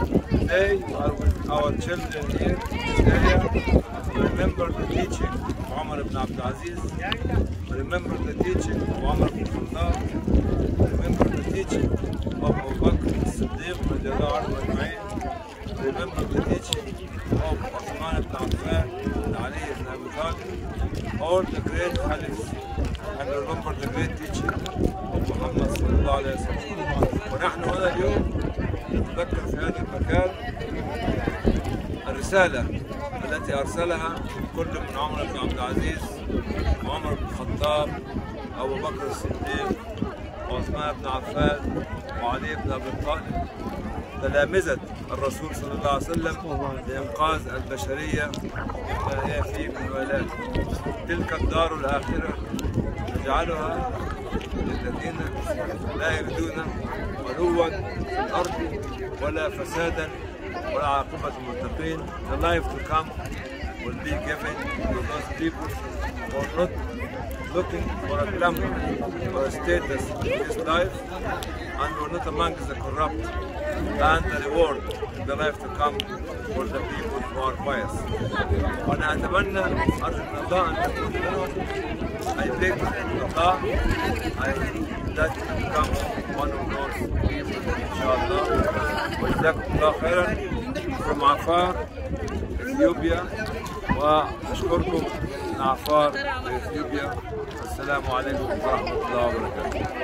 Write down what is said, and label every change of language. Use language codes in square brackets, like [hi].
[en] Today, we are with our children here in this area to remember the teaching of Umar ibn Abd al-Aziz, remember the teaching of Umar ibn Khattab, remember the teaching of Abu Bakr as-Siddiq radiallahu anhu ajma'in, remember the teaching of Uthman ibn Affan and Ali ibn Abi Talib, all the great caliphs, and remember the great teaching of Muhammad sallallahu alayhi wa sallam. [ar] ونحن هنا اليوم نتذكر في هذا المكان الرسالة التي أرسلها كل من عمر بن عبد العزيز وعمر بن الخطاب أبو بكر الصديق وعثمان بن عفان وعلي بن أبي طالب، تلامذة الرسول صلى الله عليه وسلم لإنقاذ البشرية مما هي فيه من ولاد. تلك الدار الآخرة نجعلها للذين لا يريدون علوا في الأرض ولا فسادا ولا عاقبة المتقين. [en] The life to come will be given to those people who are not looking for a glamour or a status in this life and who are not among the corrupt, and the reward in the life to come for the people who are pious. [ar] وأنا أتمنى أرجو من الله أن تكون منهم. [en] I beg from Allah, I mean that you become one of those people, inshallah. [ar] وجزاكم الله خيرا from Afar, Ethiopia. وأشكركم من Afar, Ethiopia. السلام عليكم ورحمة الله وبركاته.